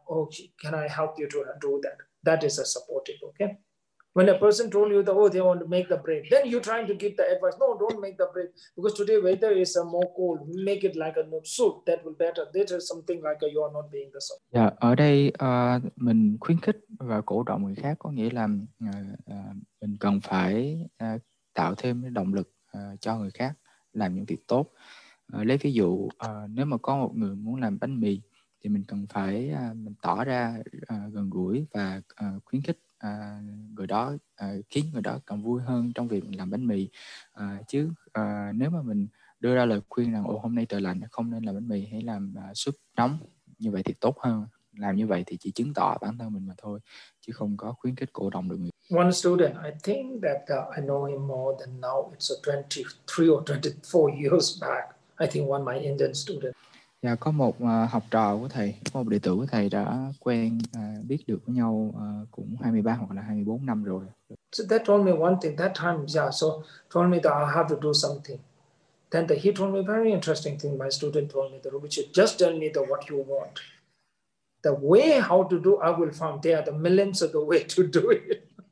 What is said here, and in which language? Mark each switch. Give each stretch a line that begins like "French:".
English: Oh, can I help you to do that? That is a supportive. Okay. When a person told you they want to make the bread, then you're trying to give the advice. No, don't make the bread because today weather is more cold. Make it like a soup. That will better. That is something like you are not being the soup.
Vietnamese: Ở đây mình khuyến khích và cổ động người khác có nghĩa là mình cần phải tạo thêm động lực cho người khác làm những việc tốt. Lấy ví dụ nếu mà có một người muốn làm bánh mì thì mình cần phải mình tỏ ra gần gũi và khuyến khích người đó, khiến người đó càng vui hơn trong việc làm bánh mì. Chứ nếu mà mình đưa ra lời khuyên rằng ồ hôm nay trời lạnh không nên làm bánh mì hay làm súp nóng, như vậy thì tốt hơn. Làm như vậy thì chỉ chứng tỏ bản thân mình mà thôi, chứ không có khuyến khích cộng đồng được người.
English: One student, I think that I know him more than now. It's a 23 or 24 years back. I think one of my Indian students.
Vietnamese: Dạ, có một học trò của thầy, một đệ tử của thầy đã quen, biết được với nhau cũng 23 hoặc là 24 năm rồi.
English: So that told me one thing that time, yeah, so told me that I have to do something. Then he told me a very interesting thing, my student told me, which is just tell me what you want. The way how to do, I will find there the millions of the way to do it.